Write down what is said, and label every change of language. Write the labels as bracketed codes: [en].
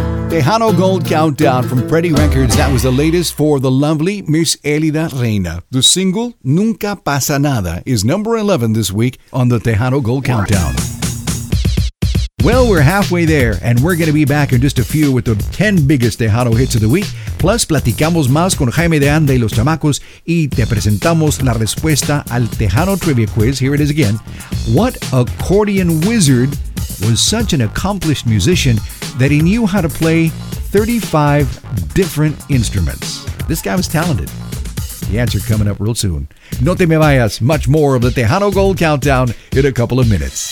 [en] Tejano Gold Countdown from Pretty Records. That was the latest for the lovely Miss Elida Reina. The single, Nunca Pasa Nada, is number 11 this week on the Tejano Gold Countdown. Well, we're halfway there, and we're going to be back in just a few with the 10 biggest Tejano hits of the week. [es] Plus, platicamos más con Jaime de Anda y los Chamacos, y te presentamos la respuesta al Tejano Trivia Quiz. [en] Here it is again. What accordion wizard was such an accomplished musician that he knew how to play 35 different instruments? This guy was talented. The answer coming up real soon. [es] No te me vayas. [en] Much more of the Tejano Gold Countdown in a couple of minutes.